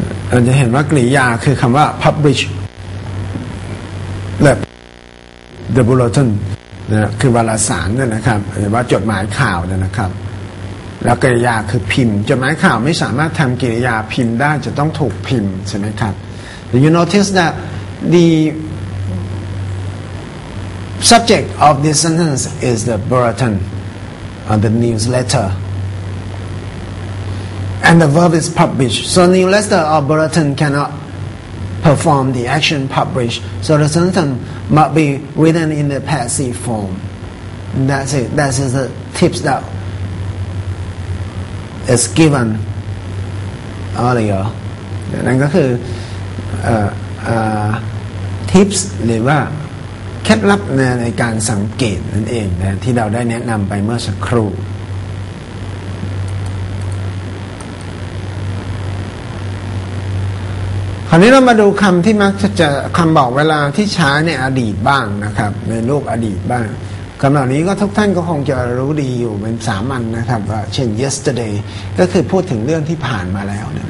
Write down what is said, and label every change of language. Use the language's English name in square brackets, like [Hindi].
[Thai] เราจะเห็นว่ากริยาคือคำว่า publish และ the bulletin นะคือวารสารนั่นนะครับหรือว่าจดหมายข่าวนั่นนะครับแล้วกริยาคือพิมพ์จดหมายข่าวไม่สามารถทำกริยาพิมพ์ได้จะต้องถูกพิมพ์ใช่ไหมครับ [English] Do you notice that the subject of this sentence is the bulletin or the newsletterAnd the verb is published. So newsletter or bulletin cannot perform the action publish. So the sentence must be written in the passive form. And that's it. That is the tips that is given earlier. [Thai] นั่นก็คือtips หรือว่าเคล็ดลับในการสังเกตนั่นเองนะที่เราได้แนะนำไปเมื่อสักครู่คราวนี้เรามาดูคำที่มักจะคำบอกเวลาที่ใช้ในอดีตบ้างนะครับในโลกอดีตบ้างคำเหล่านี้ก็ทุกท่านก็คงจะรู้ดีอยู่เป็นสามัญ นะครับเช่น yesterday ก็คือพูดถึงเรื่องที่ผ่านมาแล้ว